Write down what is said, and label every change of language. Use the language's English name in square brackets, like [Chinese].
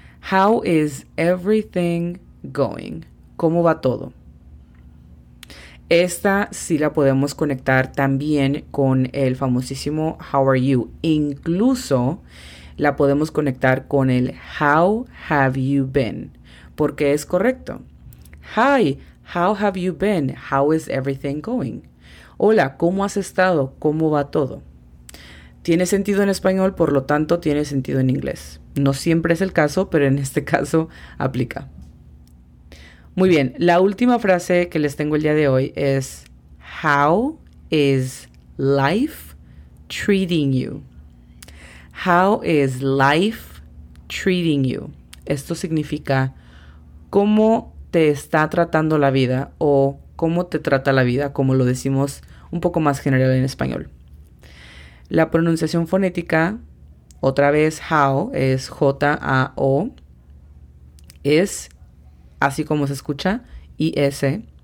[English] How is everything going? [Spanish] ¿Cómo va todo? Esta sí la podemos conectar también con el famosísimo [English] How are you? [Spanish] Incluso la podemos conectar con el [English] How have you been? [Spanish] Porque es correcto. [English] Hi, how have you been? How is everything going? [Spanish] Hola, ¿cómo has estado? ¿Cómo va todo? Tiene sentido en español, por lo tanto, tiene sentido en inglés. No siempre es el caso, pero en este caso aplica. Muy bien, la última frase que les tengo el día de hoy es [English] How is life treating you? How is life treating you? [Spanish] Esto significa ¿cómo te está tratando la vida? O ¿cómo te trata la vida? Como lo decimos un poco más general en español. La pronunciación fonética, otra vez how, es J-A-O, es así como se escucha, I-S.